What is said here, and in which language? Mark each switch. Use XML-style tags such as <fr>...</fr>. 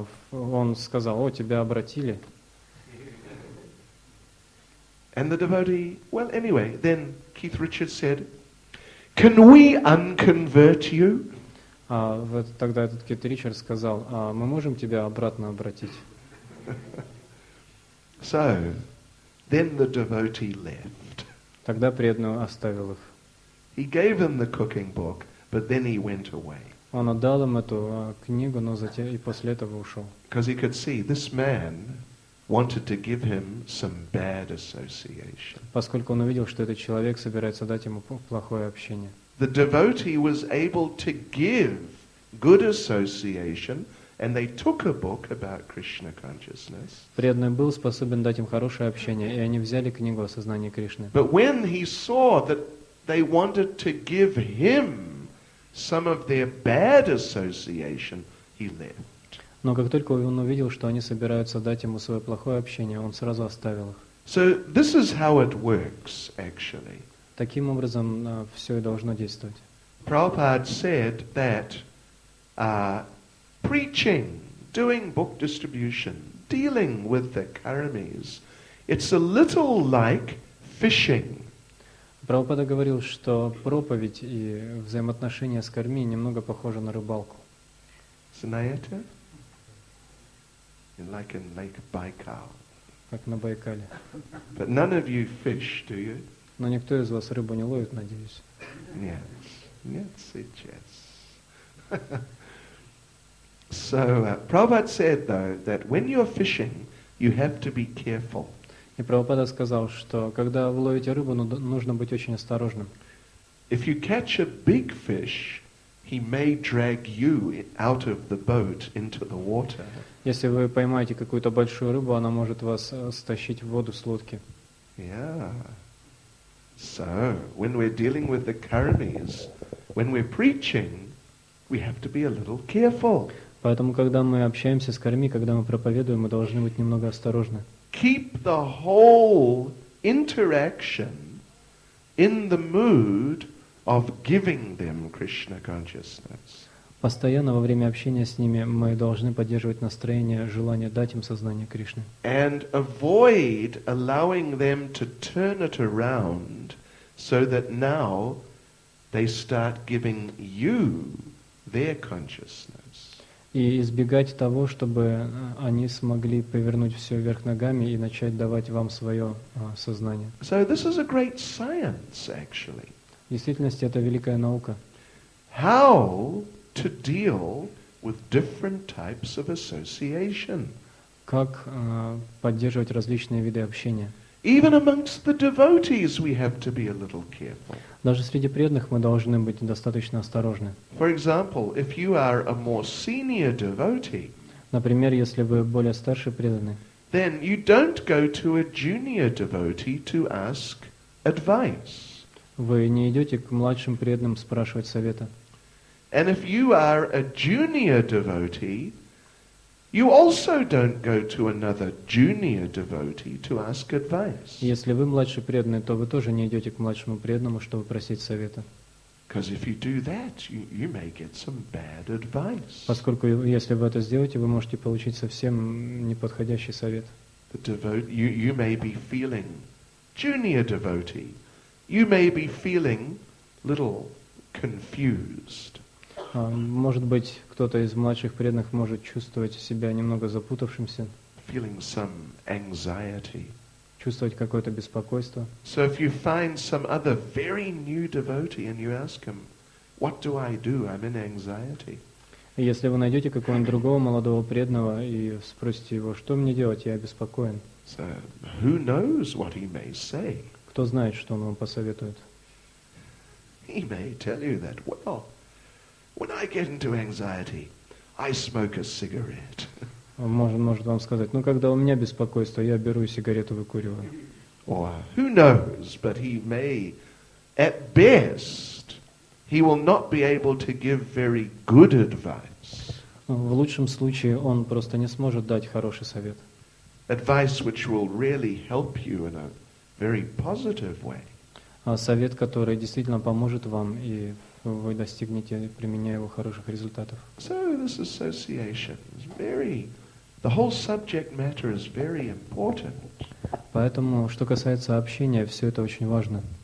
<ru>Он сказал, о, тебя обратили.</ru> <en>And the devotee, well, anyway, then Keith Richards said, "Can we unconvert you?"</en> <ru>Тогда этот Кит Ричардс сказал, мы можем тебя обратно обратить.</ru> <en>So, then the devotee left.</en> <ru>Тогда преданный оставил их.</ru> <en>He gave him the cooking book, but then he went away.</en> <ru>Он отдал им эту книгу, но затем и после этого ушел.</ru> <en>Because he could see this man wanted to give him some bad association.</en> <ru>Поскольку он увидел, что этот человек собирается дать ему плохое общение.</ru> <en>The devotee was able to give good association, and they took a book about Krishna consciousness.</en> <ru>Преданный был способен дать им хорошее общение, и они взяли книгу о сознании Кришны.</ru> <en>But when he saw that they wanted to give him some of their bad association, he left.</en> <ru>Но как только он увидел, что они собираются дать ему свое плохое общение, он сразу оставил их.</ru> <en>So this is how it works, actually.</en> <ru>Таким образом, все и должно действовать.</ru> <en>Prabhupada said that preaching, doing book distribution, dealing with the karmis, it's a little like fishing.</en> <ru>Прабхупада говорил, что проповедь и взаимоотношения с карми немного похожи на рыбалку. Знаете?</ru> <en>Like in Lake Baikal.</en> <ru>Как на Байкале.</ru> <en>But none of you fish, do you?</en> <ru>Но никто из вас рыбу не ловит, надеюсь. Нет. Нет, сейчас.</ru> <en>So, Prabhupada said, though, that when you're fishing, you have to be careful.</en> <ru>И Прабхупада сказал, что когда вы ловите рыбу, нужно быть очень осторожным.</ru> <en>If you catch a big fish, he may drag you out of the boat into the water.</en> <ru>Если вы поймаете какую-то большую рыбу, она может вас стащить в воду с лодки.</ru> <en>Yeah. So, when we're dealing with the karmis, when we're preaching, we have to be a little careful.</en> <ru>Поэтому, когда мы общаемся с карми, когда мы проповедуем, мы должны быть немного осторожны.</ru> <en>Keep the whole interaction in the mood of giving them Krishna consciousness.</en> <ru>Постоянно во время общения с ними мы должны поддерживать настроение, желание дать им сознание Кришны.</ru> <en>And avoid allowing them to turn it around so that now they start giving you their consciousness.</en> <ru>И избегать того, чтобы они смогли повернуть все вверх ногами и начать давать вам свое сознание.</ru> <en>So this is a great science, actually.</en> <ru>В действительности это великая наука.</ru> <en>How to deal with different types of association.</en> <ru>Как поддерживать различные виды общения.</ru> <en>Even amongst the devotees we have to be a little careful.</en> <ru>Даже среди преданных мы должны быть достаточно осторожны.</ru> <en>For example, if you are a more senior devotee,</en> <ru>например, если вы более старший преданный,</ru> <en>then you don't go to a junior devotee to ask advice.</en> <ru>Вы не идете к младшим преданным спрашивать совета.</ru> <en>And if you are a junior devotee, you also don't go to another junior devotee to ask advice.</en> <ru>Если вы младший преданный, то вы тоже не идете к младшему преданному, чтобы просить совета.</ru> <en>Because if you do that, you may get some bad advice.</en> <ru>Поскольку если вы это сделаете, вы можете получить совсем неподходящий совет.</ru> <en>The devotee, you may be feeling junior devotee. You may be feeling little confused.</en> <ru>Может быть, кто-то из младших преданных может чувствовать себя немного запутавшимся.</ru> <en>Feeling some anxiety.</en> <ru>Чувствовать какое-то беспокойство.</ru> <en>So if you find some other very new devotee and you ask him, what do I do? I'm in anxiety.</en> <ru>Если вы найдете какого-нибудь другого молодого преданного и спросите его, что мне делать, я обеспокоен.</ru> <en>So who knows what he may say?</en> <ru>Кто знает, что он вам посоветует?</ru> <en>He may tell you that, well, when I get into anxiety, I smoke a cigarette.</en> <ru>Может вам сказать, когда у меня беспокойство, я беру сигарету, выкуриваю.</ru> <en>or who knows, but he may, at best, he will not be able to give very good advice.</en> <ru>В лучшем случае он просто не сможет дать хороший совет.</ru> <en>Advice which will really help you in a very positive way.</en> <ru>Совет, который действительно поможет вам, и вы достигнете, применяя его, хороших результатов.</ru> <en>So this association is very, the whole subject matter is very important.</en> <ru>Поэтому, что касается общения, все это очень важно.</ru>